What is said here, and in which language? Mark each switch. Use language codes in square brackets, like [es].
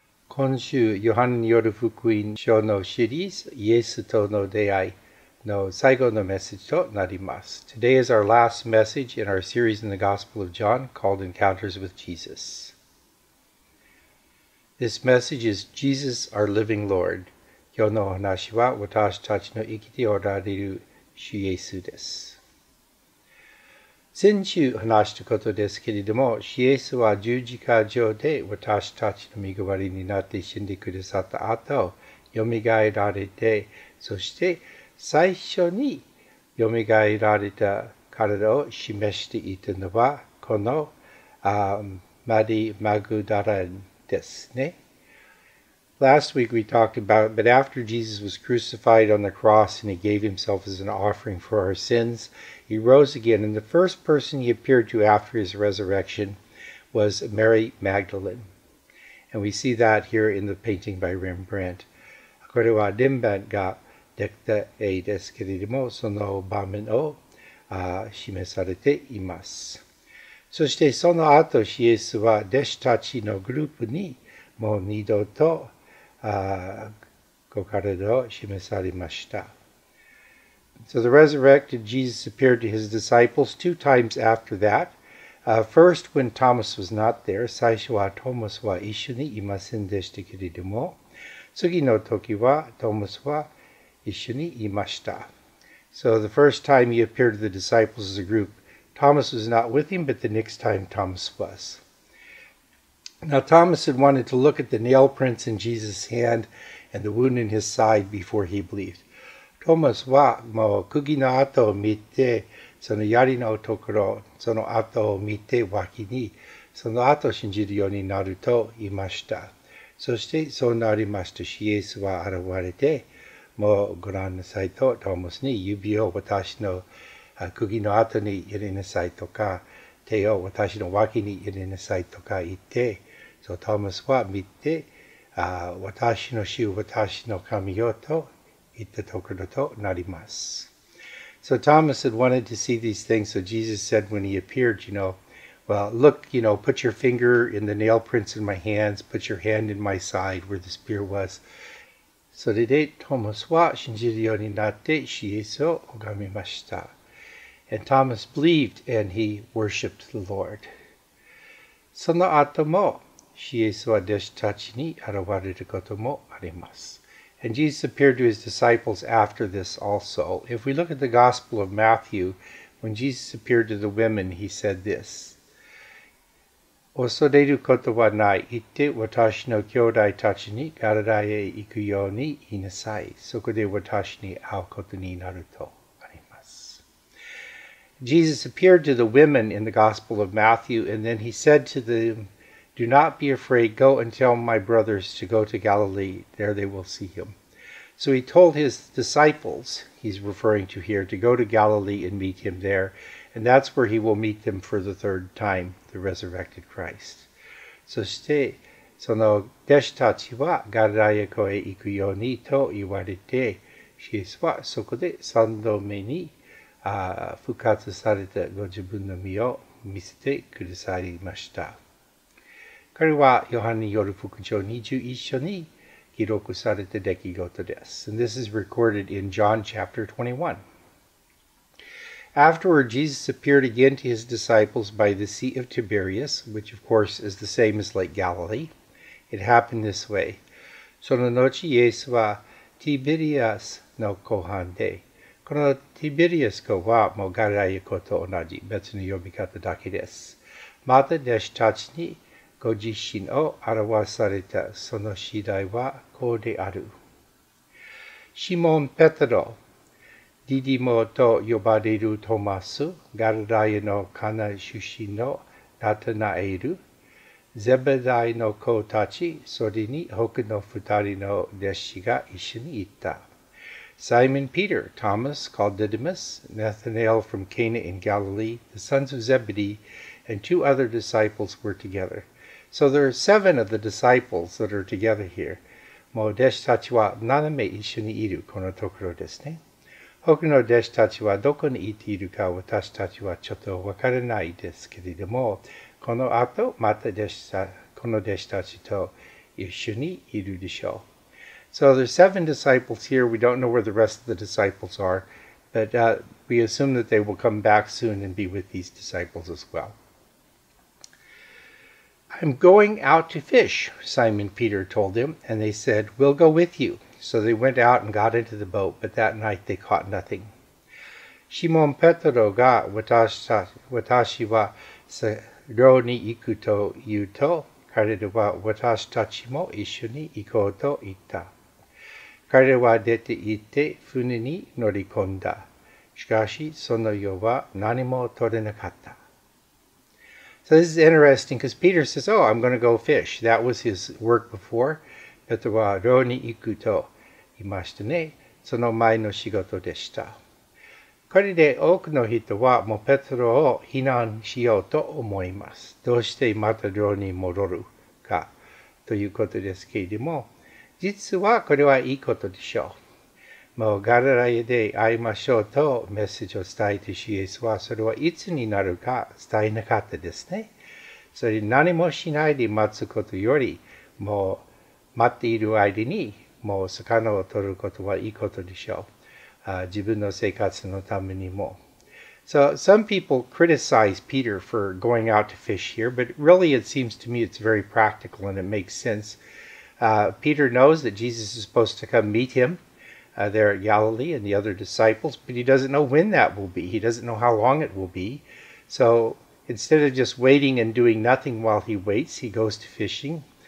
[ja] 今週、ヨハネによる福音書のシリーズ、イエスとの出会いの最後のメッセージとなります。 [en] Today is our last message in our series in the Gospel of John called Encounters with Jesus. This message is Jesus, our living Lord. [ja] 今日のお話は私たちの生きておられる主イエスです。先週話したことですけれども、主イエスは十字架上で私たちの身代わりになって死んでくださった後、よみがえられて、そして最初によみがえられた体を示していたのは、このマリ・マグダラですね。 [en] Last week we talked about, but after Jesus was crucified on the cross and he gave himself as an offering for our sins, he rose again. And the first person he appeared to after his resurrection was Mary Magdalene. And we see that here in the painting by Rembrandt. [ja] これはレンブラントができた絵ですけれども、その場面を示されています。そしてその後、イエスは弟子たちのグループにもう二度とご体を示されました。 [en] So the resurrected Jesus appeared to his disciples two times after that. First, when Thomas was not there, [ja] 最初はトーマスは一緒にいませんでしたけれども、次の時はトーマスは一緒にいました。 [en] So the first time he appeared to the disciples as a group, Thomas was not with him, but the next time Thomas was. Now Thomas had wanted to look at the nail prints in Jesus' hand and the wound in his side before he believed. [ja] Thomas はもう釘の跡を見て、その槍のところ、その跡を見て脇に、その跡を信じるようになるといました。そしてそうなりました。イエスは現れて、もうご覧なさいと、トーマスに指を私の釘の跡に入れなさいとか、手を私の脇に入れなさいとか言って、そうトーマスは見て、私の主、私の神よと言ったところとなります。 [en] So Thomas had wanted to see these things, so Jesus said when he appeared, you know, well, look, you know, put your finger in the nail prints in my hands, put your hand in my side where the spear was. [ja] それでトーマスは信じるようになって、主イエスを拝みました。 [en] And Thomas believed, and he worshipped the Lord. [ja] その後も、イエスは弟子たちに現れることもあります。 [en] And Jesus appeared to his disciples after this also. If we look at the Gospel of Matthew, when Jesus appeared to the women, he said this. [ja] 恐れることはない。行って私の兄弟たちに体へ行くように言いなさい。そこで私に会うことになると。 [en] Jesus appeared to the women in the Gospel of Matthew, and then he said to them, Do not be afraid, go and tell my brothers to go to Galilee, there they will see him. So he told his disciples, he's referring to here, to go to Galilee and meet him there, and that's where he will meet them for the third time, the resurrected Christ. [ja] そして、その弟子たちはガリラヤ湖へ行くようにと言われて、イエスはそこで三度目に復活されたご自分の身を見せてくださいました。これはヨハネによる福音書21章に記録された出来事です。 [en] And this is recorded in John chapter 21. Afterward, Jesus appeared again to his disciples by the Sea of Tiberias, which of course is the same as Lake Galilee. It happened this way. [ja] その後、イエスはティベリアスの湖畔で、このティベリアス湖はもうガリラヤ湖と同じ別の呼び方だけです。また弟子たちにご自身を表されたその次第はこうである。シモン・ペトロ、ディディモと呼ばれるトマス、ガリラヤのカナ出身のナタナエル、ゼベダイの子たち、それに他の二人の弟子が一緒にいた。 [en] Simon Peter, Thomas, called Didymus, Nathanael from Cana in Galilee, the sons of Zebedee, and two other disciples were together. So there are seven of the disciples that are together here. [ja] もう弟子たちは七名一緒にいるこのところですね。他の弟子たちはどこにいているか私たちはちょっとわからないですけれども、この後また弟子たちと一緒にいるでしょう。 [en] So there's seven disciples here. We don't know where the rest of the disciples are, but we assume that they will come back soon and be with these disciples as well. I'm going out to fish, Simon Peter told him, and they said, We'll go with you. So they went out and got into the boat, but that night they caught nothing. [ja] シモン・ペトロが私は漁に行くと言うと、彼らは私たちも一緒に行こうと言った。彼らは出て行って船に乗り込んだ。しかしその夜は何も取れなかった。 [en] So this is interesting because Peter says, oh, I'm going to go fish. That was his work before. [ja] ペトロは漁に行くと言いましたね。その前の仕事でした。これで多くの人はもうペトロを非難しようと思います。どうしてまた漁に戻るかということですけれども、実はこれはいいことでしょう。もうガラダヤで会いましょうとメッセージを伝えて主イエスはそれはいつになるか伝えなかったですね。それ何もしないで待つことよりもう待っている間にもう魚を取ることはいいことでしょう。自分の生活のためにも。 [en] So some people criticize Peter for going out to fish here, but really it seems to me it's very practical and it makes sense. Peter knows that Jesus is supposed to come meet him. There at Galilee and the other disciples, but he doesn't know when that will be. He doesn't know how long it will be. So instead of just waiting and doing nothing while he waits, he goes to fishing.